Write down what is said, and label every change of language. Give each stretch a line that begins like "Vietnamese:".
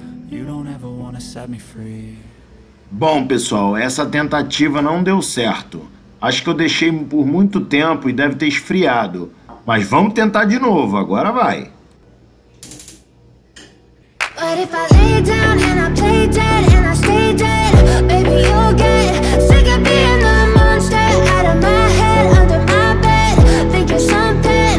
English: You don't ever wanna set me free.
Portuguese: Bom pessoal, essa tentativa não deu certo. Acho que eu deixei por muito tempo e deve ter esfriado. Mas vamos tentar de novo, agora vai.
English: But if I lay down and I play dead and I stay dead, baby you'll get sick of being the monster out of my head, under my bed, think you're something.